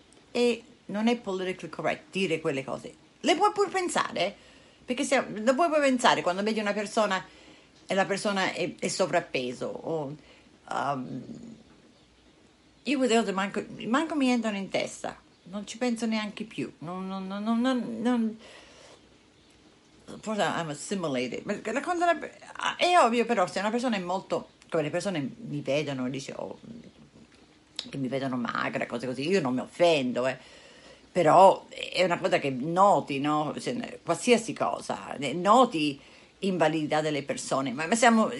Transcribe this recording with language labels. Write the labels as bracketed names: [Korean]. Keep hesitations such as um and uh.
[Italian] E non è politicamente correct dire quelle cose. Le puoi pur pensare, perché se, le puoi pensare quando vedi una persona e la persona è, è sovrappeso o, um, io vedo che manco, manco mi entrano in testa non ci penso neanche più. No, no, no, Forse [English] I'm assimilated. [Italian] Ne... è ovvio, però, se una persona è molto. come le persone mi vedono e dice oh, che mi vedono magra, cose così, io non mi offendo, eh. Però è una cosa che noti, cioè, Qualsiasi cosa, noti invalidità delle persone, ma siamo...